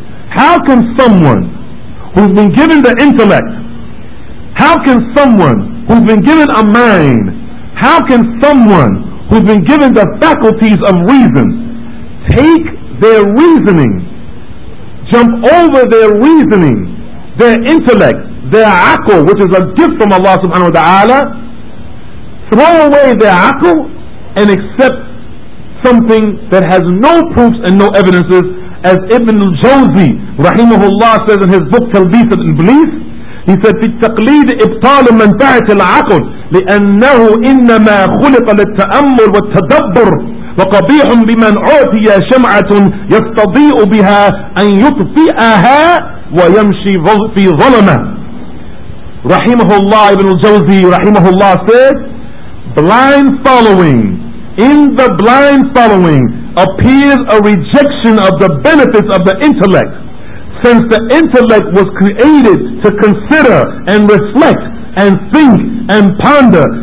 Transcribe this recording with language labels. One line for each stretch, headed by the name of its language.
English: How can someone who's been given the intellect, how can someone who's been given a mind, how can someone who's been given the faculties of reason take their reasoning, jump over their reasoning, their intellect, their aql, which is a gift from Allah subhanahu wa ta'ala, throw away their aql and accept something that has no proofs and no evidences? As Ibn al-Jawzi rahimahullah says in his book Talbis al-Iblis, he said,
Arabic: في التقليد إبطال منفعة العقل لأنه إنما خلق للتأمل والتدبر وقبيح بمن أعطي شمعة يستضيء بها أن يطفئها ويمشي في ظلمة.
English: Rahimahullah, Ibn al-Jawzi rahimahullah said, blind following, in the blind following appears a rejection of the benefits of the intellect, since the intellect was created to consider and reflect and think and ponder.